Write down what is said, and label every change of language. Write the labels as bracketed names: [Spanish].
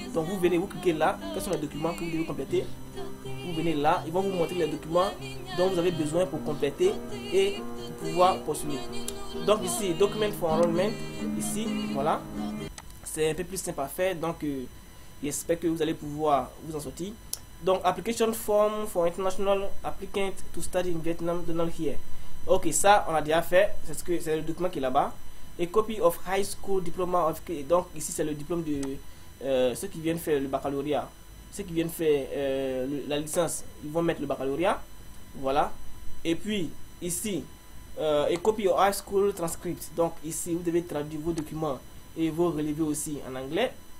[French] Donc vous venez, vous cliquez là, quels sont les documents que vous devez compléter. Vous venez là, ils vont vous montrer les documents dont vous avez besoin pour compléter et pouvoir postuler. Donc ici, [English] document for enrollment, [French] ici, voilà. C'est un peu plus simple à faire, donc j'espère que vous allez pouvoir vous en sortir. [English] Donc application form for international applicant to study in Vietnam, don't here. [French] Ok, ça on a déjà fait, c'est le document qui est là-bas. Et [English] copy of high school diploma of, [French] donc ici c'est le diplôme de ceux qui viennent faire le baccalauréat, ceux qui viennent faire la licence, ils vont mettre le baccalauréat. Voilà, et puis ici et [English] copy of high school transcript, [French] donc ici vous devez traduire vos documents et vos relevés aussi en anglais.